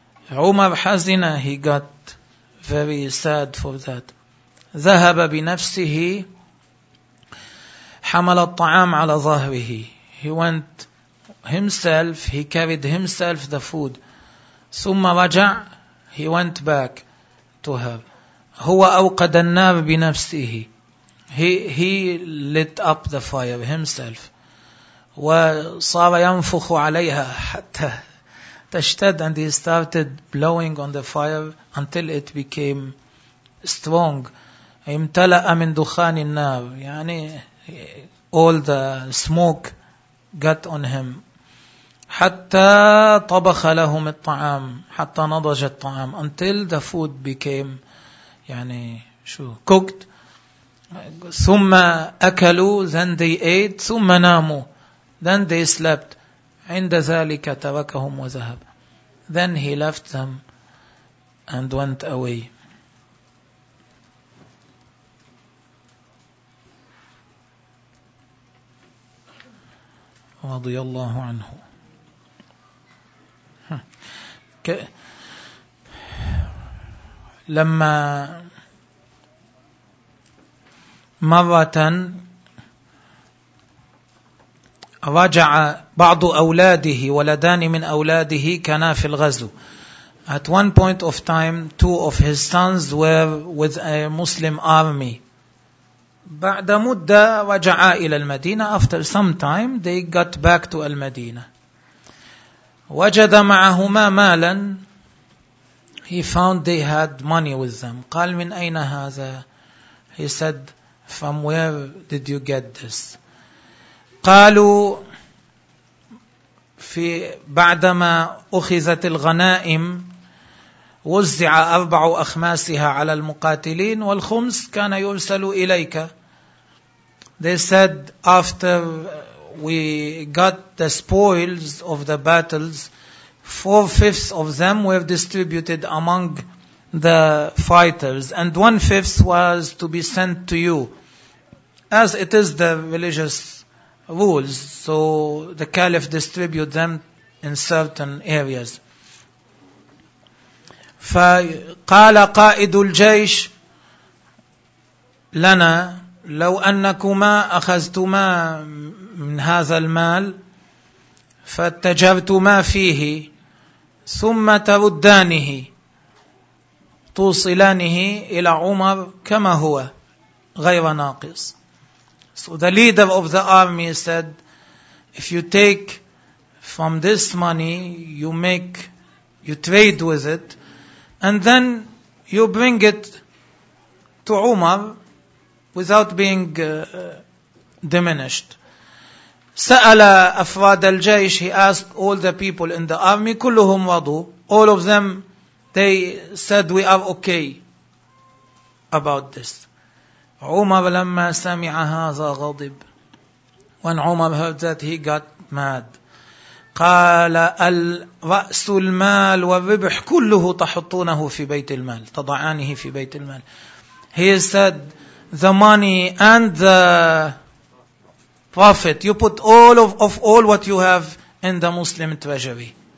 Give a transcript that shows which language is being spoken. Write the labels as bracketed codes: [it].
[en] Umar Hazina, he got very sad for that. [ar] ذهب بنفسه حمل الطعام على ظهره. [en] He went himself, he carried himself the food. [ar] ثم رجع, [en] he went back to her. [ar] هو أوقد النار بنفسه. [en] He lit up the fire himself. [ar] وصار ينفخ عليها حتى تشتد, [en] and he started blowing on the fire until it became strong. [ar] امتلأ من دخان النار, يعني [en] all the smoke got on him. [ar] حتى طبخ لهم الطعام, حتى نضج الطعام, [en] until the food became, [ar] يعني شو, [en] cooked. [ar] ثم أكلوا, [en] then they ate, [ar] ثم ناموا, [en] then they slept. [ar] عند ذلك تركهم وذهب. [en] Then he left them and went away. [ar] رضي الله عنه. لما مرة رجع بعض أولاده, ولدان من أولاده كانا في الغزو. [en] At one point of time, two of his sons were with a Muslim army. [ar] بعد مدة رجعا إلى المدينة. [en] After some time, they got back to المدينة. [ar] وجد معهما مالا. [en] He found they had money with them. [ar] قال من أين هذا؟ [en] He said, from where did you get this? [ar] قالوا في بعدما أخذت الغنائم وزع أربع أخماسها على المقاتلين والخمس كان يرسل إليك. [en] They said, after we got the spoils of the battles, four-fifths of them were distributed among the fighters, and one-fifth was to be sent to you, as it is the religious rules. So the caliph distributed them in certain areas. [ar] فقال قائد الجيش لنا لو أنكما أخذتما من هذا المال فاتجرتما فيه ثم تردانه توصلانه إلى عمر كما هو غير ناقص. [en] So the leader of the army said, if you take from this money, you trade with it, and then you bring it to Umar without being diminished. [ar] سأل أفراد الجيش, [en] he asked all the people in the army, [ar] كلهم رضوا, [en] all of them, they said, we are okay about this. [ar] عمر لما سمع هذا غضب. [en] When Umar heard that, he got mad. [ar] قال الرأس المال والربح كله تحطونه في بيت المال, تضعانه في بيت المال. [en] He said, the money and the profit, you put all of all what you have in the Muslim treasury.